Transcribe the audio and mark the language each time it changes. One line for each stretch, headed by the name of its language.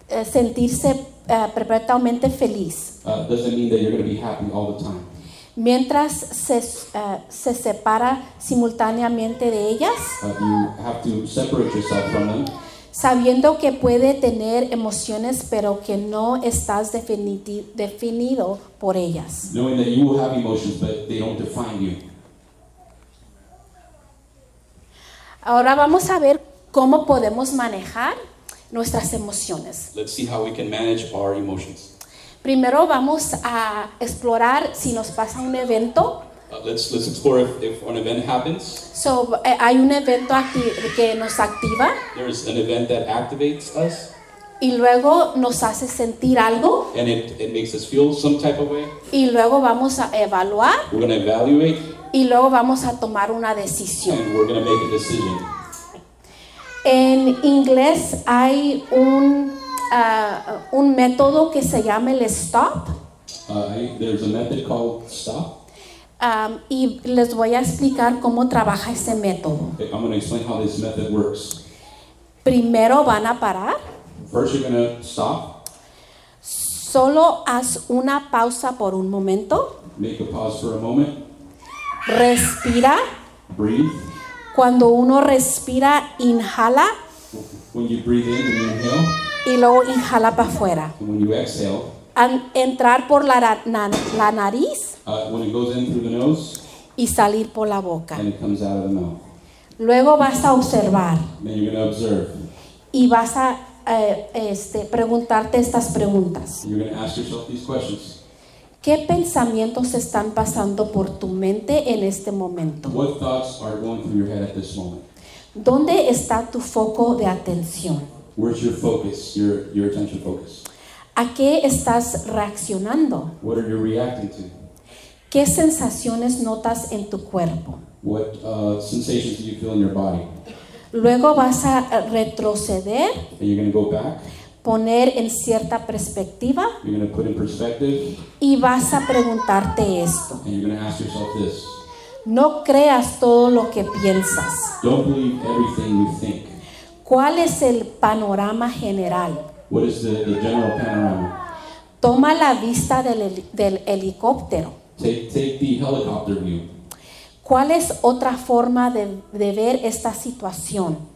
Spanish: sentirse perpetuamente feliz.
English: Doesn't mean that you're going to be happy all the time.
Spanish: Mientras se separa simultáneamente de ellas.
English: You have to separate yourself from them.
Spanish: Sabiendo que puede tener emociones, pero que no estás definido por ellas.
English: Knowing that you will have emotions, but they don't define you.
Spanish: Ahora vamos a ver cómo podemos manejar nuestras emociones.
English: Let's see how we can manage our emotions.
Spanish: Primero vamos a explorar si nos pasa un evento.
English: Let's explore if an event happens.
Spanish: So, hay un evento que nos activa.
English: There is an event that activates us.
Spanish: Y luego nos hace sentir algo.
English: And it makes us feel some type of way.
Spanish: Y luego vamos a evaluar.
English: We're going to evaluate.
Spanish: Y luego vamos a tomar una decisión.
English: And we're going to make a decision.
Spanish: En inglés hay un método que se llama el STOP.
English: There's a method called STOP.
Spanish: Y les voy a explicar cómo trabaja ese método.
English: Okay, I'm going to explain how this method works.
Spanish: Primero van a parar.
English: First you're going to stop.
Spanish: Solo haz una pausa por un momento.
English: Make a pause for a moment.
Spanish: Respira.
English: Breathe.
Spanish: Cuando uno respira, inhala.
English: When you breathe in, you inhale.
Spanish: Y luego inhala para afuera.
English: When you exhale.
Spanish: Entrar por la nariz.
English: When it goes in through the nose.
Spanish: Y salir por la boca.
English: And it comes out of the mouth.
Spanish: Luego vas a observar.
English: Then you're gonna observe.
Spanish: Y vas a preguntarte estas preguntas.
English: You're gonna ask yourself these questions.
Spanish: ¿Qué pensamientos están pasando por tu mente en este momento?
English: What thoughts are going through your head at this moment?
Spanish: ¿Dónde está tu foco de atención?
English: Where's your focus, your attention focus?
Spanish: ¿A qué estás reaccionando?
English: What are you reacting to?
Spanish: ¿Qué sensaciones notas en tu cuerpo?
English: What sensations do you feel in your body?
Spanish: Luego vas a retroceder.
English: And you're gonna go back.
Spanish: Poner en cierta perspectiva.
English: You're gonna put in perspective.
Spanish: Y vas a preguntarte esto.
English: And you're gonna ask yourself this.
Spanish: No creas todo lo que piensas.
English: Don't believe everything you think.
Spanish: ¿Cuál es el panorama general?
English: What is the general panorama?
Spanish: Toma la vista del helicóptero.
English: Take the helicopter view.
Spanish: ¿Cuál es otra forma de ver esta situación?